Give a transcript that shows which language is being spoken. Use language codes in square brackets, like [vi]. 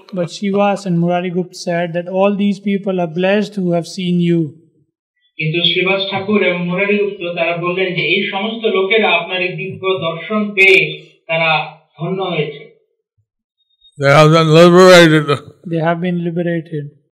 [en] But Shiva and Murari Gupta said that all these people are blessed who have seen you. [bn] কিন্তু শ্রীবাস ঠাকুর এবং মুরারি গুপ্ত তারা বললেন যে এই সমস্ত লোকেরা আপনার এই দিব্য দর্শন পেয়ে তারা ধন্য হয়েছে। [en] They have been liberated. They have been liberated.